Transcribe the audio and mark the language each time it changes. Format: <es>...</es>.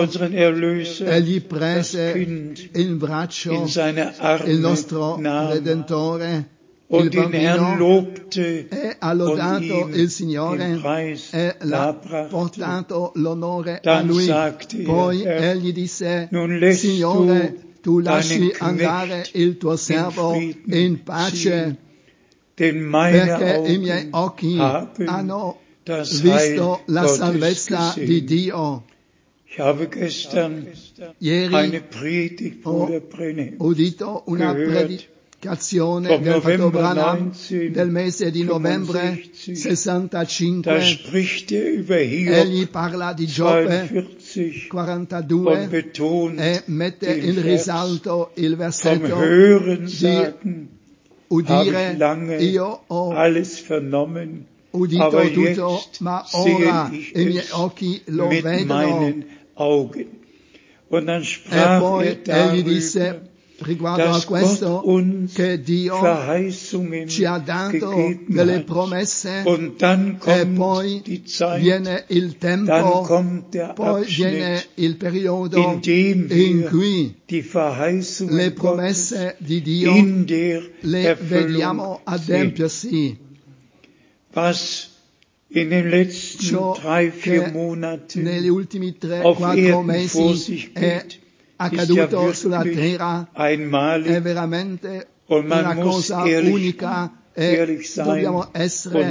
<it>egli prese in braccio il nostro Redentore, il bambino, e ha lodato il Signore e l'ha portato l'onore a lui. Poi egli disse: Signore, tu lasci andare il tuo servo in pace, perché i miei occhi hanno visto la salvezza di Dio.</it> <de>Ich habe gestern eine Predigt von der Brenne</de> <it>udito una predicazione del fratello Branham del mese di novembre 65. Egli parla di Giobbe 42 e mette in risalto il versetto di udire: io ho</it> <de>alles vernommen,</de> <it>udito tutto, ma ora i miei occhi lo vedono.</it> <de>Und dann sprach</de> <it>e poi egli disse riguardo a questo che Dio ci ha dato delle promesse e poi viene il tempo, poi viene il periodo in cui le promesse di Dio le vediamo adempiersi.</it> <de>Was in den letzten</de> <it>ciò</it> <de>drei, vier Monaten</de> <it>negli ultimi tre, quattro mesi è accaduto sulla terra</it> <de>einmalig,</de> <it>è veramente</it> <de>und man</de> <it>una cosa</it> <de>ehrlich,</de> <it>unica e dobbiamo essere</it>